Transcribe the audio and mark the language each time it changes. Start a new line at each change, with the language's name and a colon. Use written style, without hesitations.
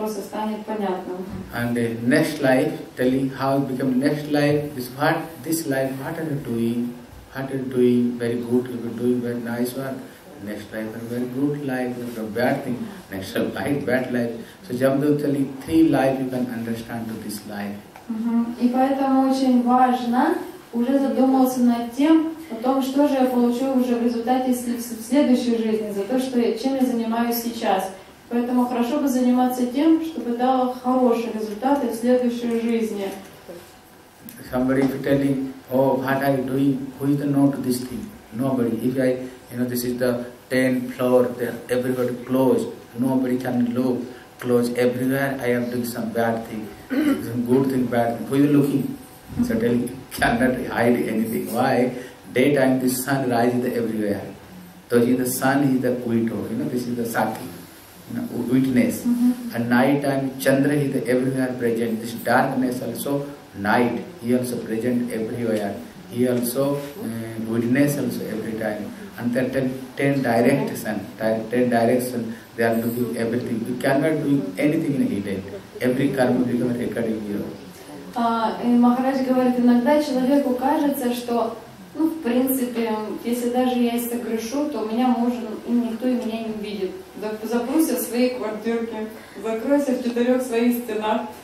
English: And the next life, telling how it becomes next life, what are you doing? Very good, you are doing very nice one. Next life is a very good life, not a bad thing. Next life, bad life. So Jamdev telling three life you can understand to this life.
Russian: И поэтому очень важно уже задумываться над тем, о том, что же я получу уже в результате следующей жизни, за то, что чем я занимаюсь сейчас. Поэтому хорошо бы заниматься тем, чтобы дало хорошие результаты в следующей жизни.
English: Somebody is telling, oh, what are you doing? Who is the known to this thing? Nobody. If I, you know, this is the 10th floor, everybody closed. Nobody can look. Close everywhere, I am doing some bad thing. Some good thing, bad thing. Who is looking? So tell me, cannot hide anything. Why? Daytime, the sun rises everywhere. So the sun is the quito, you know, this is the sati, you know, witness. Mm-hmm. And nighttime, Chandra is the everywhere present. This darkness also, night, he also present everywhere. He also witness also every time. And then ten directions, they are doing everything. You cannot do anything in a hidden. Every karma becomes record in you.
Russian: Махарадж говорит, иногда человеку кажется, что, ну, в принципе, если даже я и согрешу, то у меня муж, никто и меня не увидит. Запрусь в своей квартирке, закройся в четырех своих стенах.